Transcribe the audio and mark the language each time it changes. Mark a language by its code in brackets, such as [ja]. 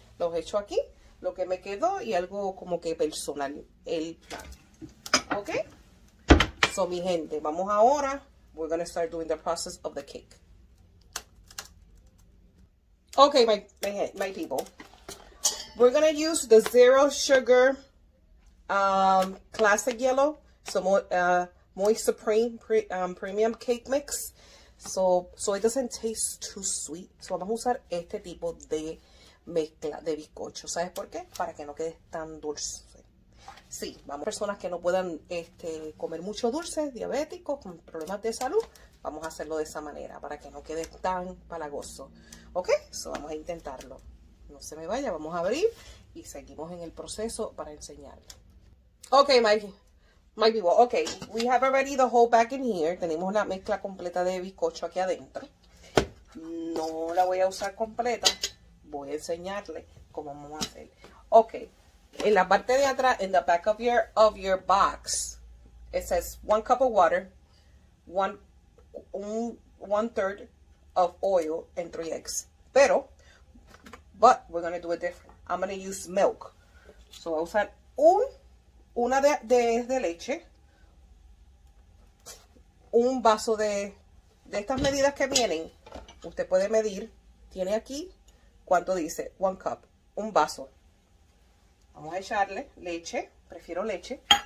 [es] Los echo aquí, lo que me quedó y algo como que personal. El plato. Ok. So, mi gente, vamos ahora. [en] We're going to start doing the process of the cake. Ok, my people. We're going to use the zero sugar classic yellow. So, Moist Supreme Premium Cake Mix. So it doesn't taste too sweet. [es] So vamos a usar este tipo de mezcla de bizcocho. ¿Sabes por qué? Para que no quede tan dulce. Sí, vamos a personas que no puedan comer mucho dulce, diabéticos, con problemas de salud. Vamos a hacerlo de esa manera para que no quede tan palagoso. ¿Ok? So vamos a intentarlo. No se me vaya. Vamos a abrir y seguimos en el proceso para enseñarle. [en] Ok, Mikey. My people, okay, we have already the whole bag in here. [es] Tenemos la mezcla completa de bizcocho aquí adentro. No la voy a usar completa. Voy a enseñarle cómo vamos a hacer. [en] Okay, [es] en la parte de atrás, [en] in the back of your box, it says one cup of water, one third of oil, and three eggs. But we're going to do it different. I'm going to use milk. [es] So, voy a usar una de leche, un vaso de estas medidas que vienen. Usted puede medir, tiene aquí, ¿cuánto dice? [en] One cup, [es] un vaso. Vamos a echarle leche, prefiero leche.